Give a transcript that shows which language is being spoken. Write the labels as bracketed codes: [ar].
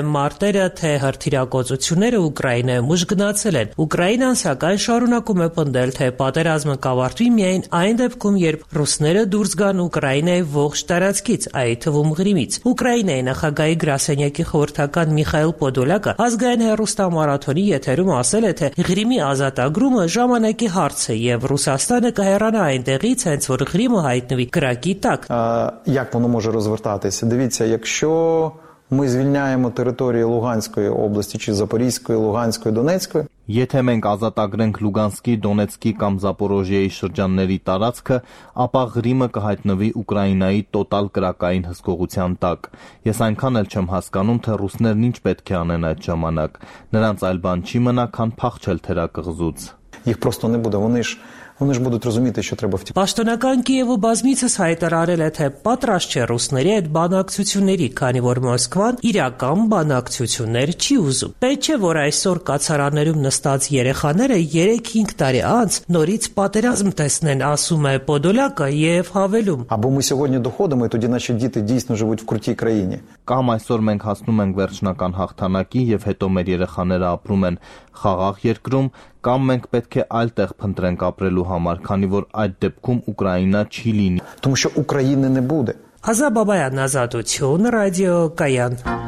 [hy] մարտերը, թե հրթիրակոծությունները Ուկրաինայում ուժ գնացել են։ Ուկրաինան սակայն շարունակում է պնդել, թե պատերազմը կավարտվի միայն այն դեպքում, երբ ռուսները դուրս գան Ուկրաինայի ողջ տարածքից, այդ թվում Ղրիմից։ Ուկրաինայի նախագահի գրասենյակի խորհրդական Միխայել Պոդոլյակը ազգային հեռուստամարաթոնի եթերում ասել է, թե Ղրիմի ազատագրումը ժամանակի հարց է եւ Ռուսաստանը կհեռանա այնտեղից, հենց որ Ղրիմը հայտնվի կրակի տակ։ [uk] Воно може розвертатися. Дивіться, якщо ми звільняємо території Луганської області чи Запорізької, Луганської, Донецької. [hy] Եթե մենք ազատագրենք Լուգանսկի, Դոնեցկի կամ Զապորոժիայի շրջանների տարածքը, ապա Ղրիմը կհայտնվի Ուկրաինայի տոտալ կրակային հսկողության տակ։ Ես այնքան էլ չեմ հասկանում, թե ռուսներն ինչ պետք է անեն այդ ժամանակ։ Նրանց այլ բան չի մնա, քան փախչել թերակղզուց։ [ru] Իհ պրոստո նե բուդե, [uk] вони ж Вони ж будуть розуміти, що треба втікати. [hy] Պաշտոնական Կիևը բազմիցս հայտարարել է, թե պատրաստ չէ ռուսների այդ բանակցությունների, քանի որ Մոսկվան իրական բանակցություններ չի ուզում։ Պետք չէ, որ այսօր կացարաներում նստած երեխաները 3-5 տարի անց նորից պատերազմ տեսնեն, ասում է Պոդոլյակը եւ հավելում. [uk] Або ми сьогодні доходимо, і тоді наші діти дійсно живуть в крутій країні. [hy] Կամ այսօր մենք հասնում ենք վերջնական հաղթանակի եւ հետո մեր երեխաները ապրում են խաղաղ երկրում, կամ մենք պետք է այլ տեղ փնտրենք ապրելու համար, քանի որ այդ դեպքում Ուկրաինա չի լինի։ [uk] Тому що України не буде. [hy] Ազա Բաբայան, Ազատություն, Ռադիո Կայան։